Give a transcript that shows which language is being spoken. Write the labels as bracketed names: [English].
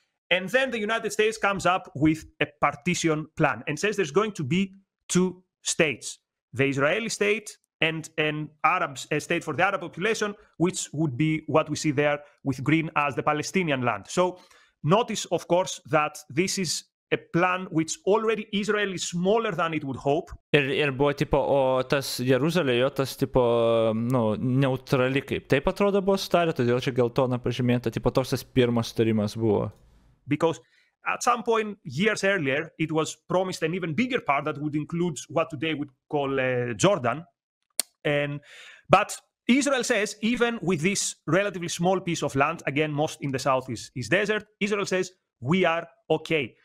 [English] And then the United States comes up with a partition plan and says there's going to be two states, the Israeli state and an Arab state for the Arab population, which would be what we see there with green as the Palestinian land. So notice, of course, that this is a plan which already Israel is smaller than it would hope. [Lithuanian] Ir buvo tipo, o tas Jeruzalė, jo tas tipo, nu, neutrali kaip. Taip atrodo buvo sutarė, todėl čia geltona pažymėta, tipo toks tas pirmas sutarimas buvo. [English] Because at some point years earlier, it was promised an even bigger part that would include what today we'd call Jordan. But Israel says, even with this relatively small piece of land, again, most in the south is desert, Israel says, we are okay.